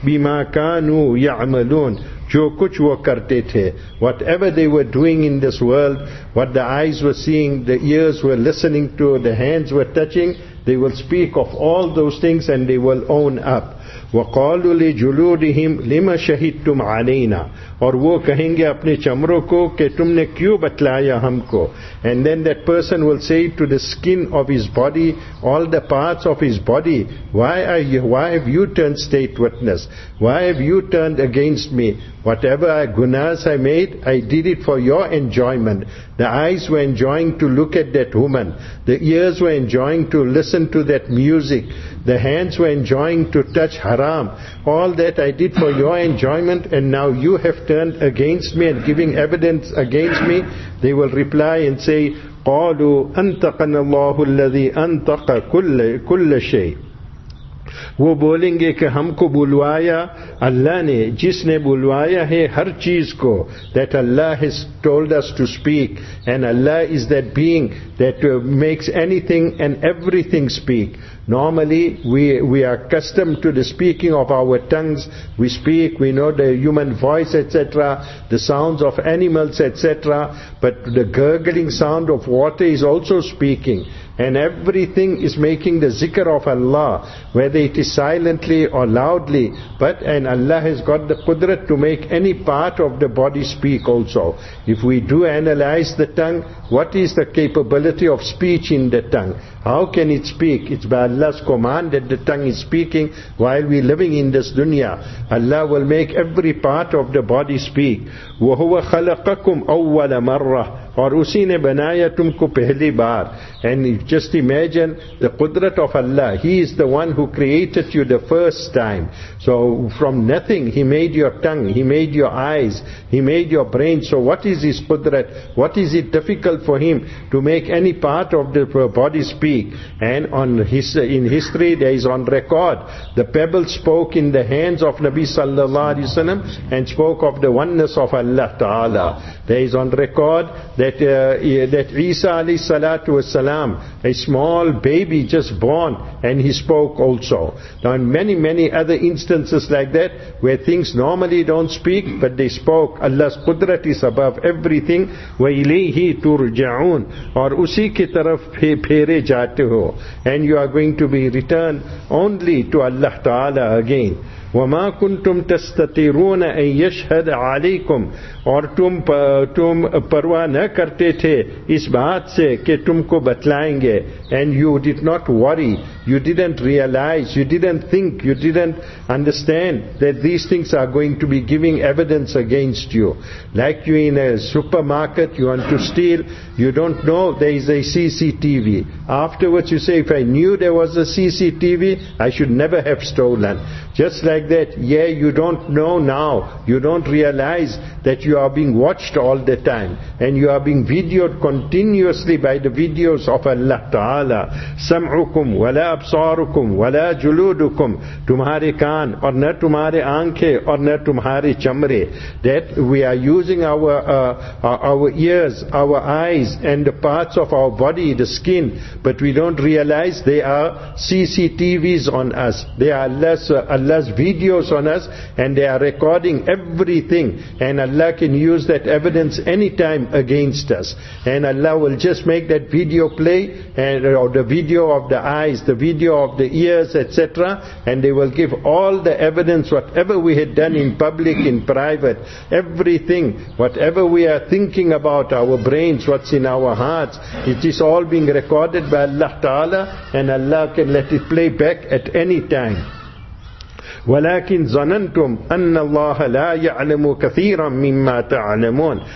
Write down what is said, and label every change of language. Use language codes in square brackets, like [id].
[ar] بِمَا كَانُوا يَعْمَلُونَ. [ur] جو کچھ وہ کرتے تھے. [en] Whatever they were doing in this world, what the eyes were seeing, the ears were listening to, the hands were touching, they will speak of all those things and they will own up. [ar] وَقَالُوا لِجُلُودِهِمْ لِمَ شَهِدْتُمْ عَلَيْنَا. [ur] اور وہ کہیں گے اپنے چمروں کو کہ تم نے کیوں بتلایا ہم کو. [en] And then that person will say to the skin of his body, all the parts of his body, why have you turned state witness? Why have you turned against me? Whatever gunas I made, I did it for your enjoyment. The eyes were enjoying to look at that woman. The ears were enjoying to listen to that music. The hands were enjoying to touch haram. All that I did for your enjoyment, and now you have turned against me and giving evidence against me. They will reply and say, [ar] قَالُوا أَنْتَقَنَ اللَّهُ الَّذِي أَنْتَقَ كُلَّ شَيْءٍ. [ur] وہ بولیں گے کہ ہم کو بلوایا اللہ نے جس نے بلوایا ہے ہر چیز کو. [en] That Allah has told us to speak, and Allah is that being that makes anything and everything speak. Normally, we are accustomed to the speaking of our tongues. We speak, we know the human voice, etc., the sounds of animals, etc., but the gurgling sound of water is also speaking. And everything is making the zikr of Allah, whether it is silently or loudly. But and Allah has got the qudrat to make any part of the body speak also. If we do analyze the tongue, what is the capability of speech in the tongue? How can it speak? It's by Allah's command that the tongue is speaking while we're living in this dunya. Allah will make every part of the body speak. [ar] وَهُوَ خَلَقَكُمْ أَوَّلَ مَرَّةٌ [ur] اور اسی نے بنایا تم کو پہلی بار. [en] And just imagine the قدرت of Allah. He is the one who created you the first time. So from nothing, He made your tongue, He made your eyes, He made your brain. So what is His قدرت? What is it difficult for Him to make any part of the body speak? And on his, in history, there is on record, the pebble spoke in the hands of Nabi sallallahu alayhi wa sallam and spoke of the oneness of Allah ta'ala. There is on record that Isa alayhi salatu was salam, a small baby just born, and he spoke also. Now, in many, many other instances like that, where things normally don't speak, but they spoke, Allah's qudrat is above everything. [ar] Wa ilayhi turja'un, [ur] aur usi ki taraf phere jaate ho, [en] and you are going to be returned only to Allah Ta'ala again. [ar] وَمَا كُنْتُمْ تَسْتَطِيرُونَ أَنْ يَشْهَدَ عَلَيْكُمْ [ur] اور تم پرواہ نہ کرتے تھے اس بات سے کہ تم کو بتلائیں گے. [en] And you did not worry, you didn't realize, you didn't think, you didn't understand that these things are going to be giving evidence against you. Like you in a supermarket, you want to steal, you don't know there is a CCTV. Afterwards you say, if I knew there was a CCTV, I should never have stolen. Just like that, yeah, you don't know now, you don't realize that you are being watched all the time, and you are being videoed continuously by the videos of Allah Ta'ala. [ar] سَمْعُكُمْ وَلَا أَبْصَارُكُمْ وَلَا جُلُودُكُمْ. [ur] تمہارے کان اور نہ تمہارے آنکھیں اور نہ تمہارے چمرے. [en] That we are using our ears, our eyes, and the parts of our body, the skin, but we don't realize they are CCTVs on us. They are Allah's videos on us, and they are recording everything, and Allah can use that evidence anytime against us. And Allah will just make that video play, and or the video of the eyes, the video of the ears, etc., and they will give all the evidence, whatever we had done in public, in private, everything, whatever we are thinking about, our brains, what's in our hearts, it is all being recorded by Allah Ta'ala, and Allah can let it play back at any time. [ar] ولكن ظننتم ان الله لا يعلم كثيرا مما تعلمون.